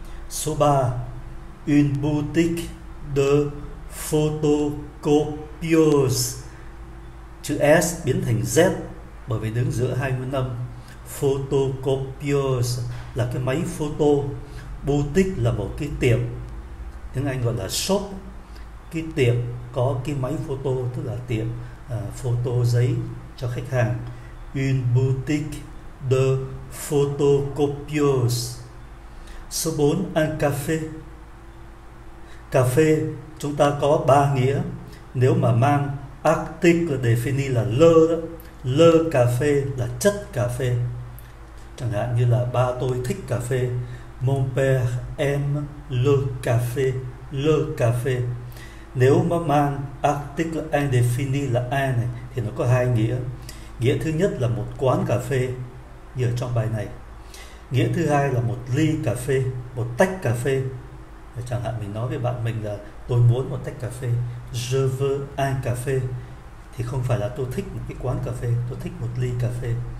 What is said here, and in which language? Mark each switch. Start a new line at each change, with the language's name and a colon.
Vietnamese: Số 3,
French: une boutique de photocopieuse,
Vietnamese: chữ S biến thành Z bởi vì đứng giữa hai nguyên âm. Photocopieuse là cái máy photo, boutique là một cái tiệm, tiếng Anh gọi là shop, cái tiệm có cái máy photo, tức là tiệm photo giấy cho khách hàng.
French: Une boutique de photocopieuse.
Vietnamese: Số 4, un café. Cà phê chúng ta có ba nghĩa. Nếu mà mang article là defini là le, le cà phê là chất cà phê. Chẳng hạn như là ba tôi thích cà phê.
French: Mon père aime le café, le cà phê.
Vietnamese: Nếu mà mang article indéfini là ai này thì nó có hai nghĩa. Nghĩa thứ nhất là một quán cà phê như ở trong bài này. Nghĩa thứ hai là một ly cà phê, một tách cà phê. Chẳng hạn mình nói với bạn mình là tôi muốn một tách cà phê,
French: je veux un café,
Vietnamese: thì không phải là tôi thích một cái quán cà phê, tôi thích một ly cà phê.